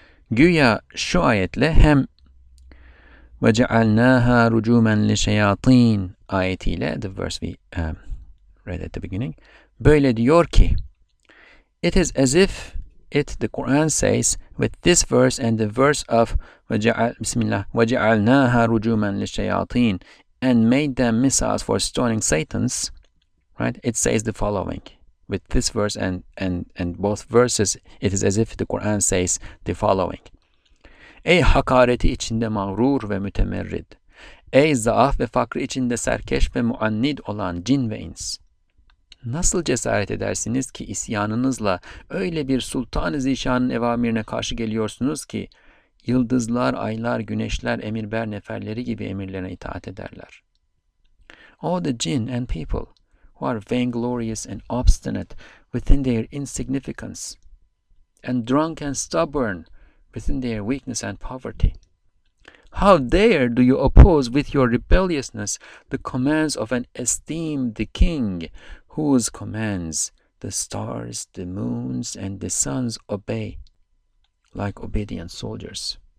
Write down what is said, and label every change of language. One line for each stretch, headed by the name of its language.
Turkish: Güya şu ayetle hem
Arabic: وَجَعَلْنَاهَا رُجُومًا لِشَيَاطِينَ
Turkish: ayetiyle,
English: the verse we read at the beginning,
Turkish: böyle diyor ki,
English: it is as if it, the Quran says, with this verse and the verse of Bismillah, وَجَعَلْنَاهَا رُجُومًا لِشَيَاطِينَ and made them missiles for stoning Satans, right? It says the following. With this verse and both verses, it is as if the Quran says the following.
Turkish: Ey hakareti içinde mağrur ve mütemerrid. Ey zaaf ve fakri içinde serkeş ve muannid olan cin ve ins. Nasıl cesaret edersiniz ki isyanınızla öyle bir sultan-ı zişanın evamirine karşı geliyorsunuz ki yıldızlar, aylar, güneşler, emirber neferleri gibi emirlerine itaat ederler.
English: All the jinn and people who are vainglorious and obstinate within their insignificance and drunk and stubborn within their weakness and poverty. How dare do you oppose with your rebelliousness the commands of an esteemed king whose commands the stars, the moons, and the suns obey like obedient soldiers.